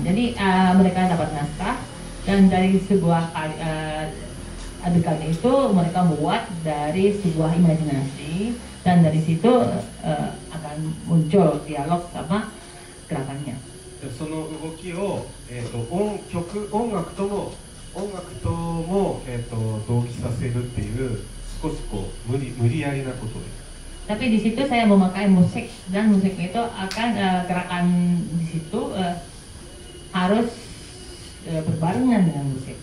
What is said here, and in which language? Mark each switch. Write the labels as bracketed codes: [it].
[id] Jadi mereka dapat naskah dan dari sebuah adegan itu mereka buat dari sebuah imajinasi dan dari situ akan muncul dialog sama gerakannya. [ja] その動きを音楽とも同期させるっていう少しこう無理やりなことです。 [id] Tapi di situ saya memakai musik dan musik itu akan gerakan di situ harus berbarengan dengan musik.